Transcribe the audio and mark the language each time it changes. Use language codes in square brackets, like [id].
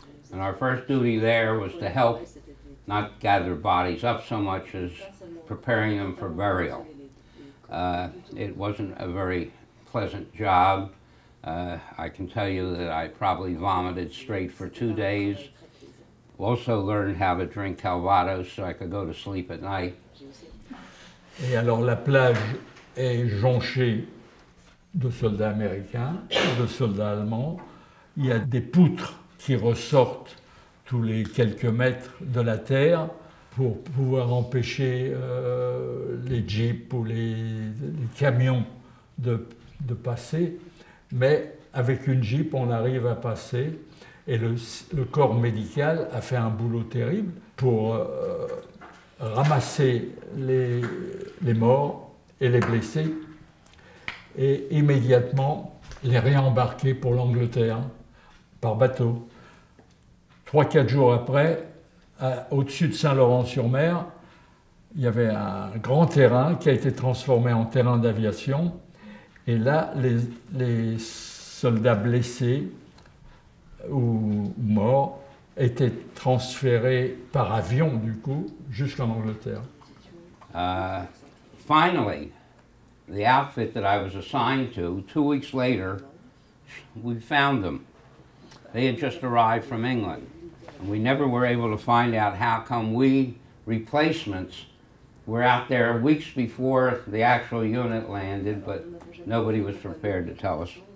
[en] And our first duty there was to help not gather bodies up so much as preparing them for burial. It wasn't a very pleasant job. I can tell you that I probably vomited straight for 2 days. Also learned how to drink Calvados so I could go to sleep at night. [fr] Et alors la plage est jonchée de soldats américains, de soldats allemands. Il y a des poutres qui ressortent tous les quelques mètres de la terre pour pouvoir empêcher les jeeps ou les camions de passer. Mais avec une jeep, on arrive à passer. Et le corps médical a fait un boulot terrible pour ramasser les morts et les blessés et immédiatement les réembarquer pour l'Angleterre par bateau. 3-4 jours après, au-dessus de Saint-Laurent-sur-Mer, il y avait un grand terrain qui a été transformé en terrain d'aviation. Et là, les soldats blessés ou morts étaient transférés par avion, du coup, jusqu'en Angleterre. [en] Finally, the outfit that I was assigned to, 2 weeks later, we found them. They had just arrived from England. We never were able to find out how come we replacements were out there weeks before the actual unit landed, but nobody was prepared to tell us.